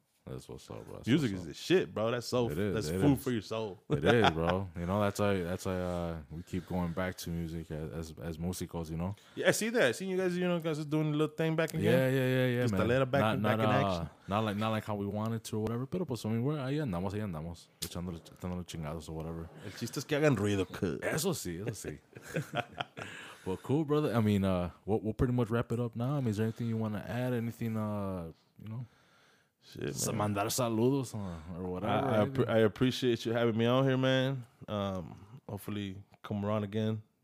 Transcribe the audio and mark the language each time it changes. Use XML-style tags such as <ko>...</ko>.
<en>That's what's up, bro. Music is the shit, bro. That's so. That's food for your soul. It is, bro. You know, that's why we keep going back to music as músicos, you know. Yeah, I see that. I see you guys. You know, guys are doing a little thing back again. Yeah, man. Pistolera back in action. Not like how we wanted to or whatever.</en> <es>Pero pues,</es> <en>I mean,</en> <es>ahí andamos, echándole chingados</es> <en>or whatever.</en> <es>El chiste es que hagan ruido, eso sí.</es> <en>Well, cool, brother. I mean, we'll pretty much wrap it up now. I mean, is there anything you want to add? Anything, you know? Shit, man.</en> <es>Mandar saludos</es> <en>or whatever. I appreciate you having me out here, man. Hopefully come around again.</en>